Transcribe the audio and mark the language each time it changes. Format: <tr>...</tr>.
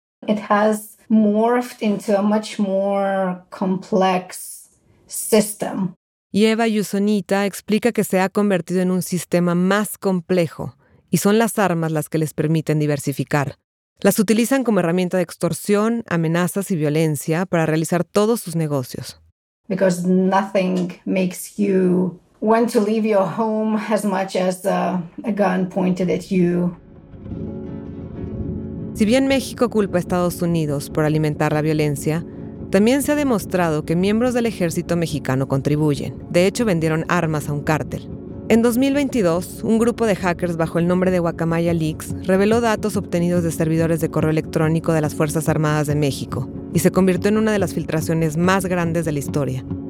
<en>It has morphed into a much more complex system.</en> <es>Y Eva Yusonita explica que se ha convertido en un sistema más complejo y son las armas las que les permiten diversificar. Las utilizan como herramienta de extorsión, amenazas y violencia para realizar todos sus negocios.</es> <en>Because nothing makes you want to leave your home as much as a gun pointed at you.</en> <es>Si bien México culpa a Estados Unidos por alimentar la violencia, también se ha demostrado que miembros del ejército mexicano contribuyen. De hecho, vendieron armas a un cártel. En 2022, un grupo de hackers bajo el nombre de Guacamaya Leaks reveló datos obtenidos de servidores de correo electrónico de las Fuerzas Armadas de México y se convirtió en una de las filtraciones más grandes de la historia.</es>